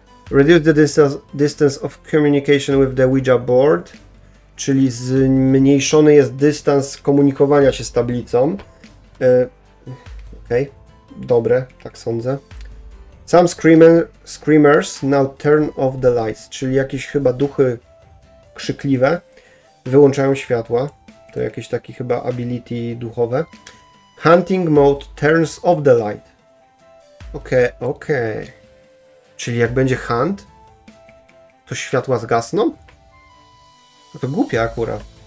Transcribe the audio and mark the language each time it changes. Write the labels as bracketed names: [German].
[English] Reduce the distance of communication with the Ouija board. [Polish] Czyli zmniejszony jest dystans komunikowania się z tablicą. Okej, okay. Dobre, tak sądzę. [English] Some screamers now turn off the lights. [Polish] Czyli jakieś chyba duchy krzykliwe wyłączają światła. To jakieś takie chyba ability duchowe. [English] Hunting mode turns off the light. Okej. [Polish] Czyli jak będzie hunt, to światła zgasną? No to głupia akurat.